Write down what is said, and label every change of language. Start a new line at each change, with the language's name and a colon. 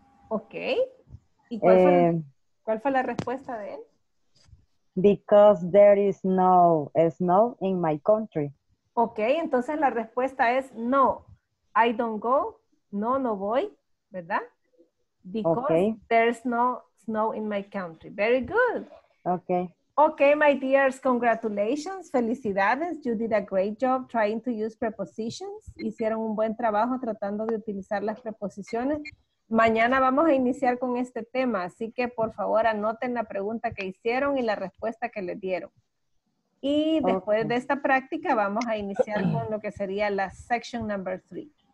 Spanish: Ok, ¿y cuál fue la respuesta de él?
English: Because there is no snow in my country.
Spanish: Okay, entonces la respuesta es no.
English: I don't go.
Spanish: No, no voy. ¿Verdad?
English: Because okay. There's no snow in my country. Very good. Okay. Okay, my dears, congratulations.
Spanish: Felicidades.
English: You did a great job trying to use prepositions.
Spanish: Hicieron un buen trabajo tratando de utilizar las preposiciones. Mañana vamos a iniciar con este tema, así que por favor anoten la pregunta que hicieron y la respuesta que le dieron. Y después de esta práctica vamos a iniciar con lo que sería la
English: section number 3.